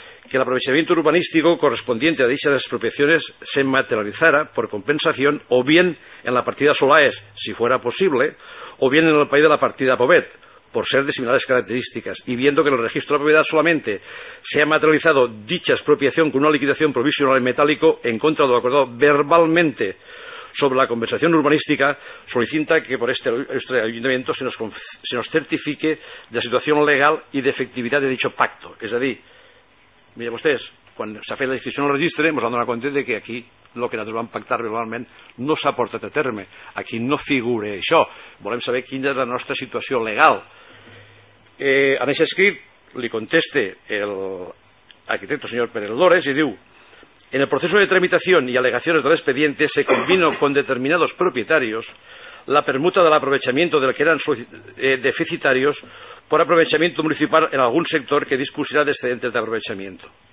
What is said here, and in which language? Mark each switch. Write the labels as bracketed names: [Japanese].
[Spanish] que el aprovechamiento urbanístico correspondiente a dichas expropiaciones se materializara por compensación o bien en la partida Solaes, si fuera posible, o bien en el país de la partida Pobet, por ser de similares características, y viendo que en el registro de propiedad solamente se ha materializado dicha expropiación con una liquidación provisional en metálico en contra de lo acordado verbalmente sobre la compensación urbanística, solicita que por este ayuntamiento se nos certifique de la situación legal y de efectividad de dicho pacto. [Catalan] Es decir, mira vostès, quan s'ha fet la inscripció en el registre, ens han donat compte de que aquí el que nosaltres vam pactar verbalment no s'ha portat a terme. Aquí no figura això. Volem saber quina és la nostra situació legal. En aquest escrit li contesta l'arquitecte senyor Pérez Lores i diu: [Spanish] en el proceso de tramitación y alegaciones del expediente se combinó con determinados propietarios la permuta del aprovechamiento del que eran deficitarios por aprovechamiento municipal en algún sector que dispusiera de excedentes de aprovechamiento.